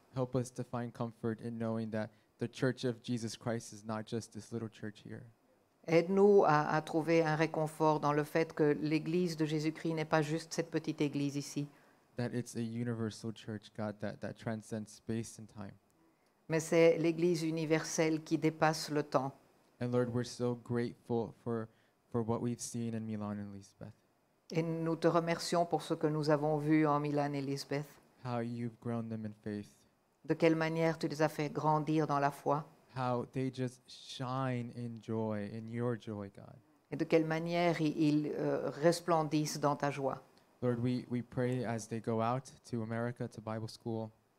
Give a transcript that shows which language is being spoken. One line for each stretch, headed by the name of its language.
English: Help us to find comfort in knowing that the Church of Jesus Christ is not just this little church here.
French: Aide-nous à trouver un réconfort dans le fait que l'Église de Jésus-Christ n'est pas juste cette petite église ici.
English: That it's a universal church, God, that transcends space and time.
French: Mais c'est l'Église universelle qui dépasse le temps.
English: And Lord, we're so grateful for what we've seen in Milan and Lisbeth.
French: Et nous te remercions pour ce que nous avons vu en Milan et Lisbeth.
English: How you've grown them in faith.
French: De quelle manière tu les as fait grandir dans la foi.
English: How they just shine in joy, in your joy, God.
French: Et de quelle manière ils resplendissent dans ta joie.
English: Lord, we pray as they go out to America to Bible school.